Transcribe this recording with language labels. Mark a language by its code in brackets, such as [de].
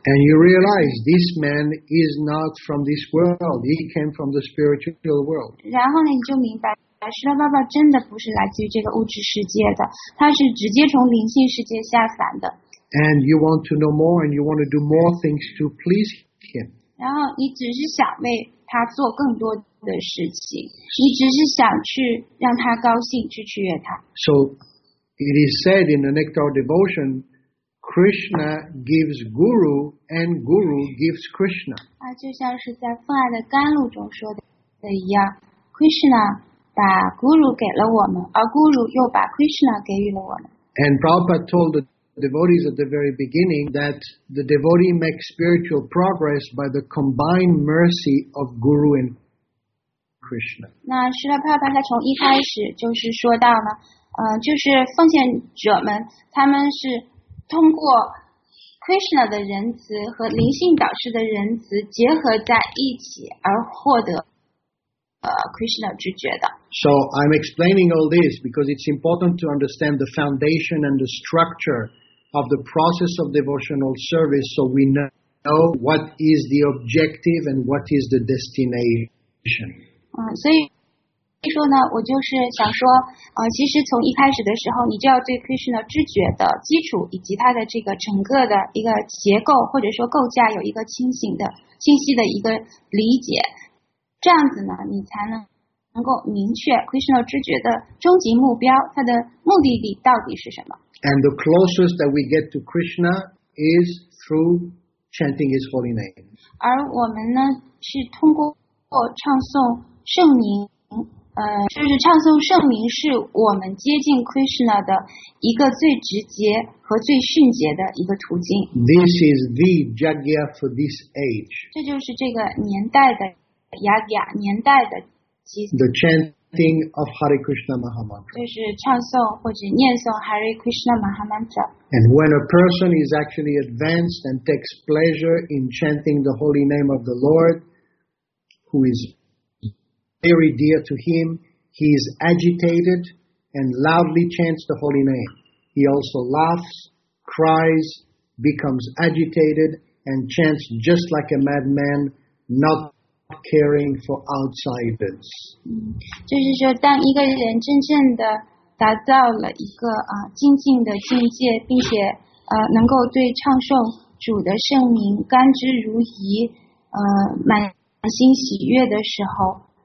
[en] And you realize this man is not from this world; he came from the spiritual world. [zh] 然后呢，你就明白 Srila Prabhupada 真的不是来自于这个物质世界的，他是直接从灵性世界下凡的。 [en] And you want to know more, and you want to do more things to please him. [zh] 然后你只是想为他做更多。的事情，你只是想去让他高兴，去取悦他。 [en] So it is said in the Nectar Devotion, Krishna gives Guru, and Guru gives Krishna. [zh] 就像是在《奉爱的甘露》中说的一样 ，Krishna 把 Guru 给了我们，而 Guru 又把 Krishna 给予了我们。 [en] And Prabhupada told the devotees at the very beginning that the devotee makes spiritual progress by the combined mercy of Guru and [zh] 那希拉帕帕他从一开始就是说到呢，就是奉献者们，他们是通过 Krishna 的仁慈和灵性导师的仁慈结合在一起而获得Krishna 直觉的。 [en] So I'm explaining all this because it's important to understand the foundation and the structure of the process of devotional service so we know what is the objective and what is the destination. [zh] 所以说呢，我就是想说，其实从一开始的时候，你就要对 Krishna 知觉的基础以及它的这个整个的一个结构或者说构架有一个清晰的一个理解。这样子呢，你才能够明确 Krishna 知觉的终极目标，它的目的地到底是什么。 [en] And the closest that we get to Krishna is through chanting His holy name. [zh] 而我们呢，是通过唱诵圣名。就是唱诵圣名是我们接近 Krishna 的一个最直接和最迅捷的一个途径。 [en] This is the yagya for this age. [zh] 这就是这个年代的 yagya, 年代的祭祀。 [en] The chanting of Hare Krishna Mahamantra. [zh] 就是唱诵或者念诵 Hare Krishna Mahamantra. [en] And when a person is actually advanced and takes pleasure in chanting the holy name of the Lord, who is very dear to him, he is agitated and loudly chants the holy name. He also laughs, cries, becomes agitated, and chants just like a madman, not caring for outsiders. [zh] 就是说，当一个人真正的达到了一个精进的境界，并且能够对唱诵主的圣名甘之如饴，满心喜悦的时候。